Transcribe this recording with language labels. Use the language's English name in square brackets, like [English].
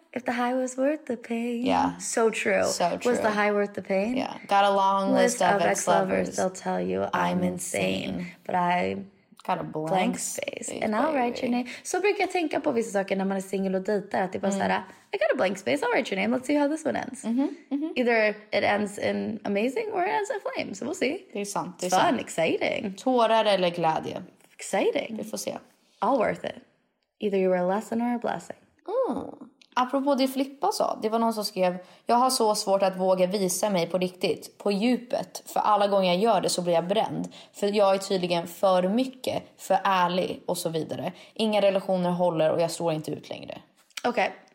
[English] If the high was worth the pain. Yeah. So true. So true. Was the high worth the pain? Yeah. Got a long list of ex-lovers. They'll tell you I'm insane. But I... Got a blank space. And I'll write your name. [Swedish] Så brukar jag tänka på vissa saker när man är single och dejtar. Att det bara såhär, [English] I got a blank space. I'll write your name. Let's see how this one ends. Mm-hmm. Either it ends in amazing or it ends in flames. So we'll see. [Swedish] Det är sant. Det är fun. Exciting. Tårar eller glädje. [English] Exciting. [Swedish] Vi får se. [English] All worth it. Either you were a lesson or a blessing. [Swedish] Apropå det Flippa sa, det var någon som skrev, jag har så svårt att våga visa mig på riktigt, på djupet, för alla gånger jag gör det så blir jag bränd, för jag är tydligen för mycket, för ärlig och så vidare. Inga relationer håller och jag står inte ut längre. Okej, okay.